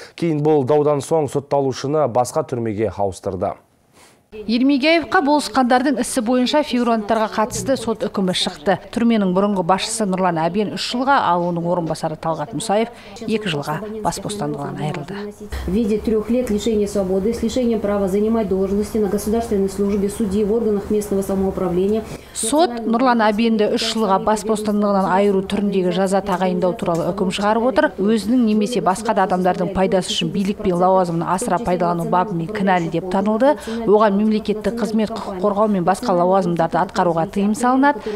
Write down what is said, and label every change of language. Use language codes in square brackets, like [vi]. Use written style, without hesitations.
[kk] Кейін бұл даудан соң сотталушыны басқа түрмеге ауыстырды. Ермегеевқа болысқандардың ісі бойынша фигуранттарға қатысты сот үкімі шықты. Түрменің бұрынғы басшысы Нұрлан Әбен 3 жылға, ал оның орынбасары Талғат Мұсаев 2 жылға бас бостандығынан айырылды. [ru] В виде 3 лет лишения свободы с лишением права занимать должности на государственной службе судьи в органах местного самоуправления. [kk] Сот Нұрлан Әбенді 3 жылға бас бостандығынан айыру түріндегі жаза тағайындау туралы үкім шығарып отыр. Өзінің немесе басқа да адамдардың пайдасы үшін билік пен лауазымын асыра пайдалану бабымен кінәлі деп танылды. Оған мемлекеттік қызмет құқық қорғау мен басқа лауазымдарды атқаруға тыйым салынады.